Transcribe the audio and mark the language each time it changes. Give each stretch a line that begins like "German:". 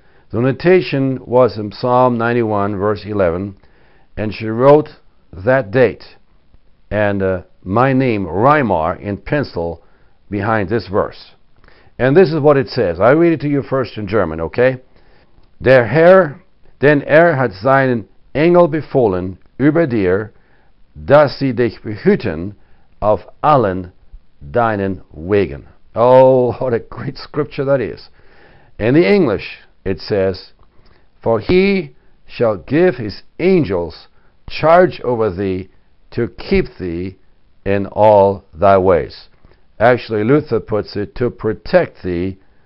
English: The notation was in Psalm 91, verse 11, and she wrote that date and my name, Reimer, in pencil behind this verse. And this is what it says. I read it to you first in German, okay?
German: Der Herr, denn hat seinen Engel befohlen über dir, dass sie dich behüten auf allen deinen Wegen.
English: Oh, what a great scripture that is. In the English, it says, for he shall give his angels charge over thee to keep thee in all thy ways. Actually, Luther puts it, to protect thee